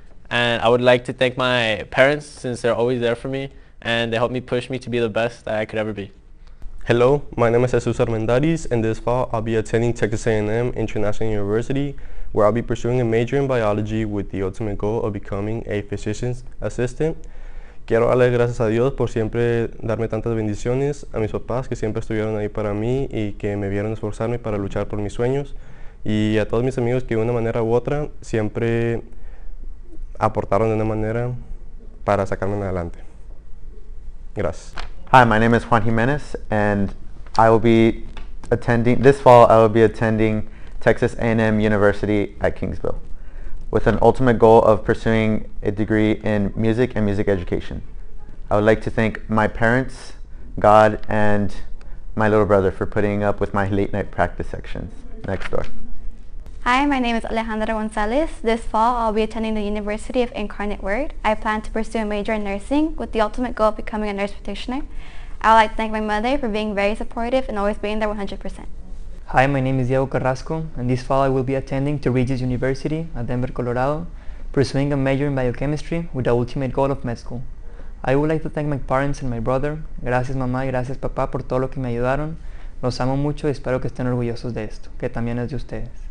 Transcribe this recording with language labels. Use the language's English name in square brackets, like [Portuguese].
[English] And I would like to thank my parents since they're always there for me and they helped me push me to be the best that I could ever be. Hello, my name is Jesus Armendariz, and this fall I'll be attending Texas A&M International University, where I'll be pursuing a major in biology with the ultimate goal of becoming a physician's assistant. [Spanish] Quiero darle gracias a Dios por siempre darme tantas bendiciones, a mis papás que siempre estuvieron ahí para mí y que me vieron esforzarme para luchar por mis sueños, y a todos mis amigos que de una manera u otra siempre aportaron de una manera para sacarme adelante. Gracias. [English] Hi, my name is Juan Jimenez, and I will be attending, this fall I will be attending Texas A&M University at Kingsville, with an ultimate goal of pursuing a degree in music and music education. I would like to thank my parents, God, and my little brother for putting up with my late night practice sessions next door. Hi, my name is Alejandra Gonzalez. This fall, I'll be attending the University of Incarnate Word. I plan to pursue a major in nursing with the ultimate goal of becoming a nurse practitioner. I would like to thank my mother for being very supportive and always being there 100%. Hi, my name is Diego Carrasco, and this fall I will be attending to Regis University at Denver, Colorado, pursuing a major in biochemistry with the ultimate goal of med school. I would like to thank my parents and my brother. [Spanish] Gracias, mamá, y gracias, papá, por todo lo que me ayudaron. Los amo mucho y espero que estén orgullosos de esto, que también es de ustedes.